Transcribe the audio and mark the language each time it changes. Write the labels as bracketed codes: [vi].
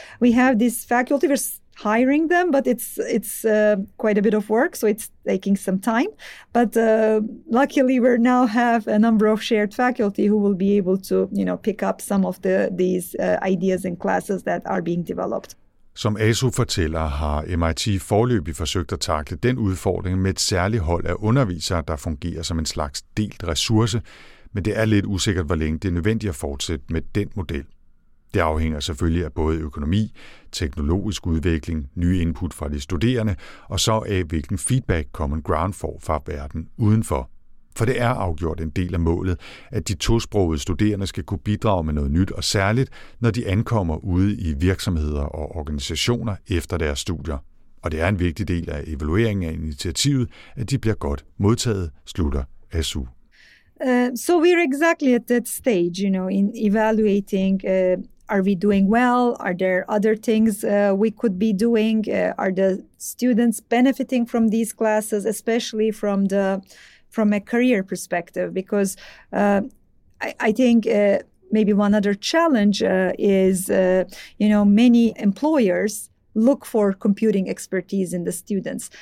[en] We have this faculty, we're hiring them, but it's quite a bit of work, so it's taking some time. But luckily, we now have a number of shared faculty who will be able to, you know, pick up some of these ideas and classes that are being developed. [da] Som ASU fortæller, har MIT forløbig forsøgt at takle den udfordring med et særligt hold af undervisere, der fungerer som en slags delt ressource, men det er lidt usikkert, hvor længe det er nødvendigt at fortsætte med den model. Det afhænger selvfølgelig af både økonomi, teknologisk udvikling, nye input fra de studerende, og så af hvilken feedback Common Ground får fra verden udenfor. For det er afgjort en del af målet, at de tosprogede studerende skal kunne bidrage med noget nyt og særligt, når de ankommer ude i virksomheder og organisationer efter deres studier. Og det er en vigtig del af evalueringen af initiativet, at de bliver godt modtaget, slutter ASU. [en] So we're exactly at that stage, you know, in evaluating, are we doing well? Are there other things we could be doing? Are the students benefiting from these classes, especially from the... from a career perspective, because I think maybe one other challenge is, you know, many employers look for computing expertise in the students.